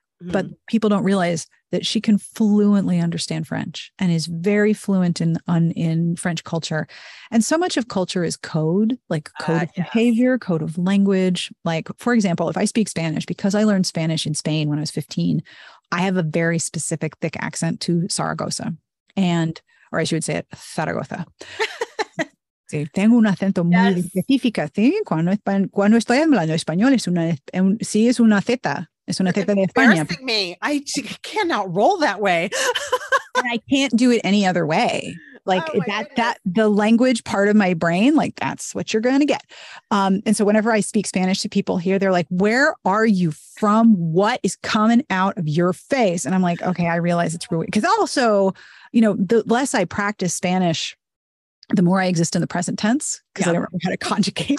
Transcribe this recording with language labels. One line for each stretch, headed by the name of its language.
English: But people don't realize that she can fluently understand French and is very fluent in French culture. And so much of culture is code, like code of behavior, code of language. Like, for example, if I speak Spanish, because I learned Spanish in Spain when I was 15, I have a very specific thick accent to Zaragoza. And, or as you would say it, Zaragoza.
Spanish: Sí, tengo un acento muy específico. Sí, cuando estoy hablando español, es una Z. Es una teta de España.
English: I cannot roll that way. And I can't do it any other way. Like the language part of my brain, like that's what you're going to get. And so whenever I speak Spanish to people here, they're like, where are you from? What is coming out of your face? And I'm like, okay, I realize it's really, because also, you know, the less I practice Spanish, the more I exist in the present tense, because I don't remember how to conjugate.